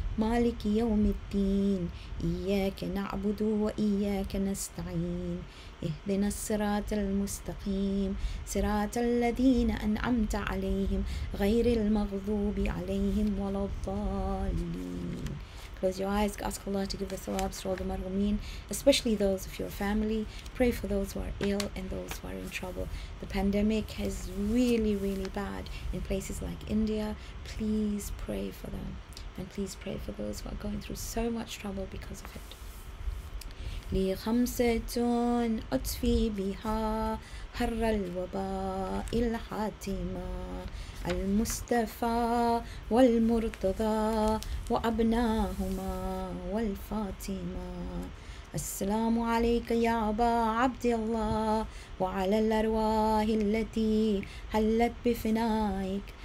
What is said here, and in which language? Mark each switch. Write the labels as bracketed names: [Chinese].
[Arabic] مالك يوم الدين إياك نعبد وإياك نستعين اهدنا الصراط المستقيم صراط الذين أنعمت عليهم غير المغضوب عليهم ولا الضالين. [English] Close your eyes, ask Allah to give the thawabs for all the marhumeen, especially those of your family. Pray for those who are ill and those who are in trouble. The pandemic is really, really bad in places like India. Please pray for them. And please pray for those who are going through so much trouble because of it. [Arabic] لي خمسة أطفي بها حر الوباء الحاتمة المصطفى والمرتضى وأبناهما والفاطمة السلام عليك يا أبا عبد الله وعلى الأرواح التي حلت بفنائك